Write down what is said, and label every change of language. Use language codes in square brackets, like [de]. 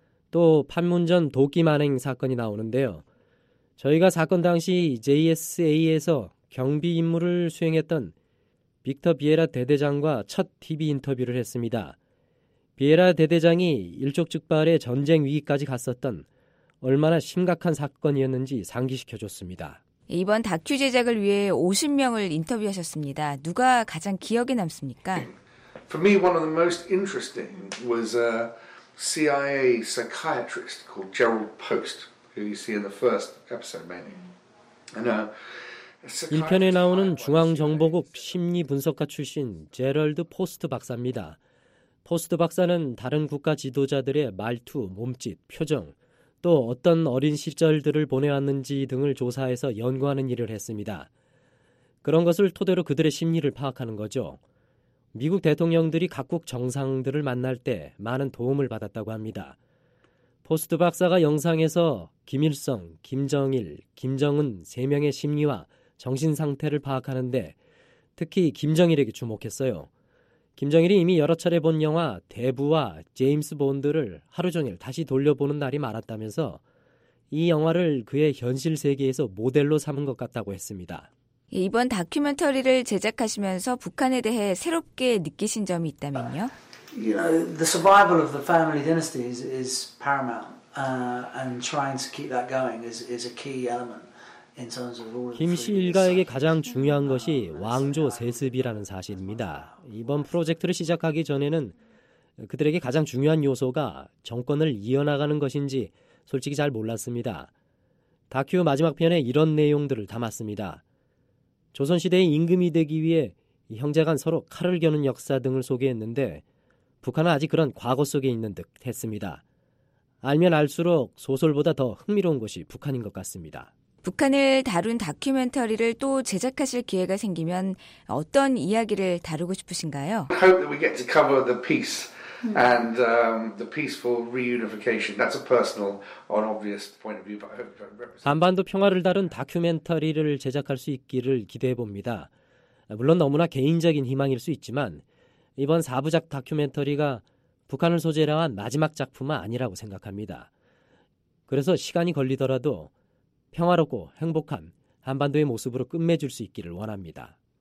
[ko] 또 판문점 도끼 만행 사건이 나오는데요. 저희가 사건 당시 JSA에서 경비 임무를 수행했던 빅터 비에라 대대장과 첫 TV 인터뷰를 했습니다. 비에라 대대장이 일촉즉발의 전쟁 위기까지 갔었던 얼마나 심각한 사건이었는지 상기시켜줬습니다. 이번 다큐 제작을 위해 50명을 인터뷰하셨습니다. 누가 가장 기억에 남습니까? [en] For me, one of the most interesting was a CIA psychiatrist called Gerald Post, who you see in the first episode mainly. And [ko] 1편에 나오는 중앙정보국 심리분석가 출신 제럴드 포스트 박사입니다. 포스트 박사는 다른 국가 지도자들의 말투, 몸짓, 표정, 또 어떤 어린 시절들을 보내왔는지 등을 조사해서 연구하는 일을 했습니다. 그런 것을 토대로 그들의 심리를 파악하는 거죠. 미국 대통령들이 각국 정상들을 만날 때 많은 도움을 받았다고 합니다. 포스트 박사가 영상에서 김일성, 김정일, 김정은 세 명의 심리와 정신 상태를 파악하는데 특히 김정일에게 주목했어요. 김정일이 이미 여러 차례 본 영화 대부와 제임스 본드를 하루 종일 다시 돌려보는 날이 많았다면서 이 영화를 그의 현실 세계에서 모델로 삼은 것 같다고 했습니다. 이번 다큐멘터리를 제작하시면서 북한에 대해 새롭게 느끼신 점이 있다면요? [en] You know, the survival of the family dynasty is paramount, and trying to keep that going is a key element in terms of all. [ko] 김 씨 일가에게 가장 중요한 것이 왕조 세습이라는 사실입니다. 이번 프로젝트를 시작하기 전에는 그들에게 가장 중요한 요소가 정권을 이어나가는 것인지 솔직히 잘 몰랐습니다. 다큐 마지막 편에 이런 내용들을 담았습니다. 조선시대의 임금이 되기 위해 형제간 서로 칼을 겨눈 역사 등을 소개했는데 북한은 아직 그런 과거 속에 있는 듯 했습니다. 알면 알수록 소설보다 더 흥미로운 것이 북한인 것 같습니다. 북한을 다룬 다큐멘터리를 또 제작하실 기회가 생기면 어떤 이야기를 다루고 싶으신가요? [en] I hope that we get to cover the peace and the peaceful reunification. That's a personal, an obvious point of view. But I hope to represent. [ko] 한반도 평화를 다룬 다큐멘터리를 제작할 수 있기를 기대해 봅니다. 물론 너무나 개인적인 희망일 수 있지만 이번 4부작 다큐멘터리가 북한을 소재로 한 마지막 작품은 아니라고 생각합니다. 그래서 시간이 걸리더라도 평화롭고 행복한 한반도의 모습으로 끝맺을 수 있기를 원합니다.